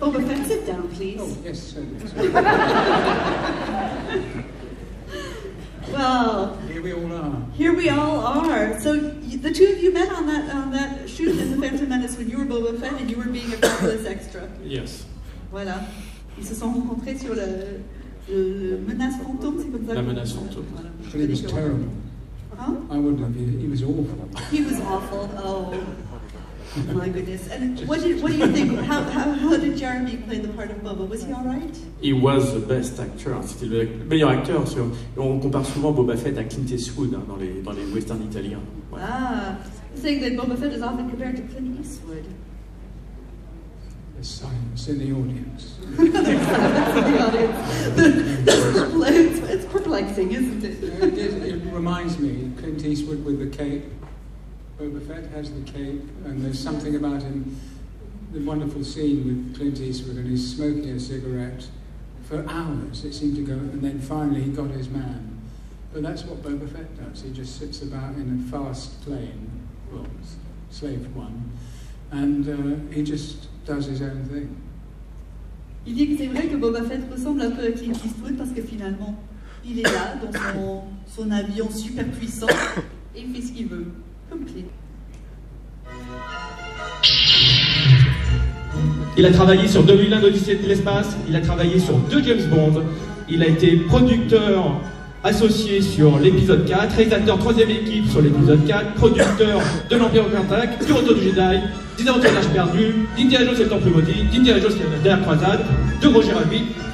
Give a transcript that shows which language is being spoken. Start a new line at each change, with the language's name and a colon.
English: Boba Fett, sit down, please. Oh, yes, sir. Well, here we all are. Here we all are. So the two of you met on that shoot in The Phantom Menace when you were Boba Fett and you were being a fabulous extra. Yes.
French: Voilà. Ils se sont rencontrés sur le menace fantôme, c'est comme ça. La menace fantôme.
English: Voilà. But it was terrible. Huh? I wouldn't have been. He was awful. He was awful. Oh. My goodness. And what do you think? How did Jeremy play the part of Boba? Was he all right? He was the best actor.
French: C'était le meilleur acteur. On compare souvent Boba Fett à Clint Eastwood hein, dans les westerns italiens.
English: Ouais. Ah, saying that Boba Fett is often compared to Clint Eastwood. There's silence in the audience. The audience. It's purple, I relaxing, isn't it? It reminds me, Clint Eastwood with the cape. Boba Fett has the cape, and there's something about him, the wonderful scene with Clint Eastwood, and he's smoking a cigarette for hours, it seemed to go, and then finally he got his man. But that's what Boba Fett does. He just sits about in a fast plane, well, slave one, and he just does his own thing.
French: Il dit que c'est vrai que Boba Fett ressemble un peu à Clint Eastwood parce que finalement, il est là, dans son avion super puissant, et il fait ce qu'il veut, comme Clint. Il a travaillé sur 2001, l'Odyssée de l'espace, il a travaillé sur deux James Bond, il a été producteur associé sur l'épisode 4, réalisateur troisième équipe sur l'épisode 4, producteur de l'Empire contre-attaque, du Retour du Jedi, d'Indiana Jones l'Arche perdue, d'Indiana Jones et le Temple maudit, d'Indiana Jones et la dernière croisade, de Roger Rabbit.